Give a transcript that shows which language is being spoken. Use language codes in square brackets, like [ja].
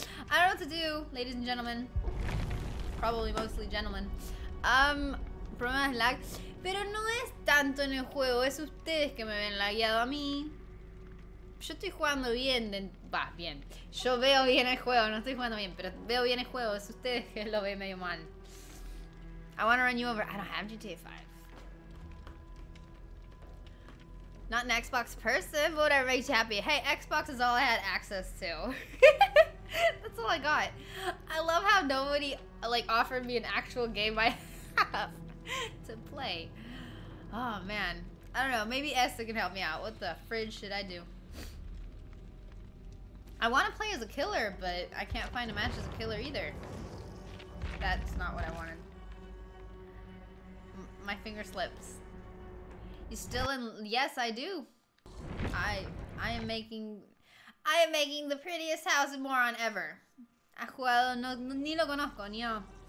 [en] I don't know what to do, ladies and gentlemen. Probably mostly gentlemen. [es] Problema de lag. Pero no es tanto en el juego, es ustedes que me ven lagueado a mí. Yo estoy jugando bien, bien. Yo veo bien el juego, no estoy jugando bien, pero veo bien el juego, es ustedes que lo ven medio mal. [en] I wanna run you over. I don't have GTA 5. Not an Xbox person, but whatever makes you happy. Hey, Xbox is all I had access to. That's all I got. I love how nobody, like, offered me an actual game I have to play. Oh, man. I don't know. Maybe Esther can help me out. What the fridge should I do? I want to play as a killer, but I can't find a match as a killer either. That's not what I wanted. My finger slips. You still in? Yes, I do. I am making the prettiest house in Moron ever. [es] Ha jugado, no, ni lo conozco, ni yo.